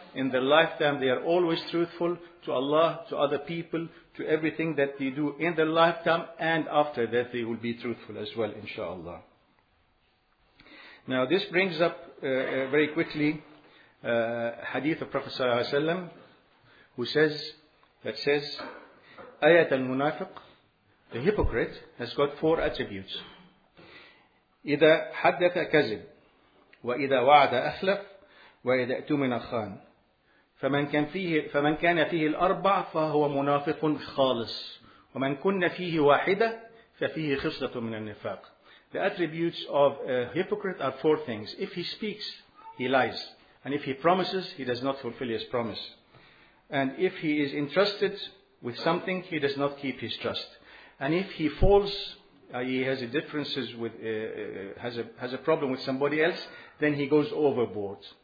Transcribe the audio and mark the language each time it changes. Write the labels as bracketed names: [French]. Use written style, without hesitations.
[English] In their lifetime they are always truthful to Allah, to other people, to everything that they do in their lifetime and after that they will be truthful as well, inshaAllah. Now this brings up very quickly hadith of Prophet Sallallahu Alaihi Wasallam who says, Ayat al-Munafiq, the hypocrite, has got four attributes. [Arabic] إذا حدث كذب وإذا وعد أخلف وإذا أؤتمن خان فمن كان فيه الأربع فهو منافق خالص ومن كن فيه واحدة ففيه خصلة من النفاق. [English] The attributes of a hypocrite are four things. If he speaks, he lies. And if he promises, he does not fulfill his promise. And if he is entrusted with something, he does not keep his trust. And if he falls, he has a differences with has a problem with somebody else, then he goes overboard.